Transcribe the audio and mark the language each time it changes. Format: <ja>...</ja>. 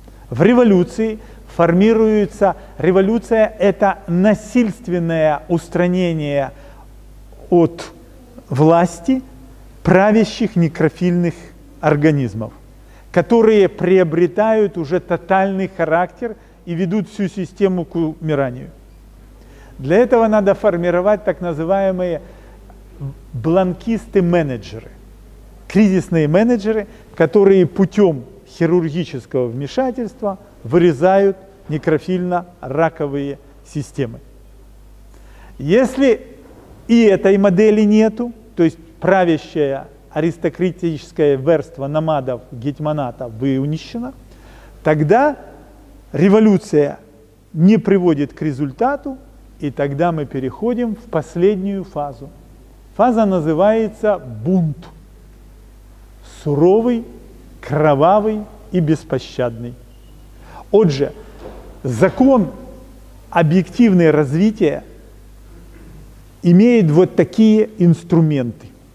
<uk>В революції формується, революція – це насильственне устранення від власті правящих некрофільних організмів,</uk> <ru>которые приобретают уже тотальный характер и ведут всю систему к умиранию. Для этого надо формировать так называемые бланкисты-менеджеры, кризисные менеджеры, которые путем хирургического вмешательства вырезают некрофильно-раковые системы. Если и этой модели нету, то есть правящая аристократическая верства намадов гетьманата выуничтожена, тогда революция не приводит к результату, и тогда мы переходим в последнюю фазу.</ru> <uk>фаза називається бунт. Суровий, кровавий і безпощадний. Отже, закон об'єктивного розвитку має ось такі інструменти.</uk>